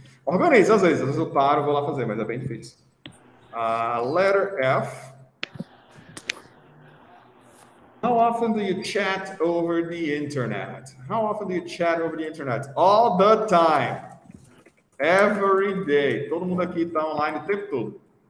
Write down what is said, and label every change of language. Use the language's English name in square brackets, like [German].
[Portuguese] Organizo às vezes eu paro, vou lá fazer, mas é bem difícil. [English] Letter F. How often do you chat over the internet? How often do you chat over the internet? All the time. Every day. [Portuguese] Todo mundo aqui está online o tempo todo.